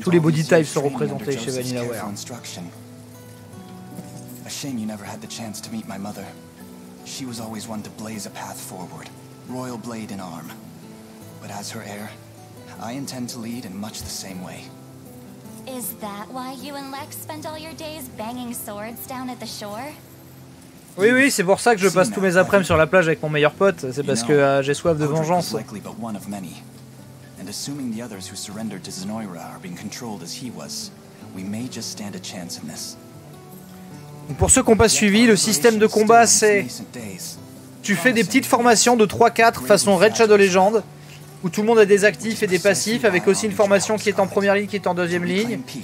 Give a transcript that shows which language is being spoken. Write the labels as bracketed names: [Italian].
[French] tous les body types sont représentés chez VanillaWare. [English] A shame you never had the chance to meet my mother. She was always one to blaze a path forward, royal blade in arm. But as her heir, I intend to lead in much the same way. Is that why you and Lex spend all your days banging swords down at the shore? [French] Oui, c'est pour ça que je passe tous mes après-midi sur la plage avec mon meilleur pote. C'est parce que j'ai soif de vengeance. [English] Zenoira are being controlled as he was, we may just stand a chance in this. [French] Pour ceux qui n'ont pas suivi, le système de combat, c'est... Tu fais des petites formations de 3-4 façon Red Shadow Legend, où tout le monde a des actifs et des passifs, avec aussi une formation qui est en première ligne, qui est en deuxième ligne.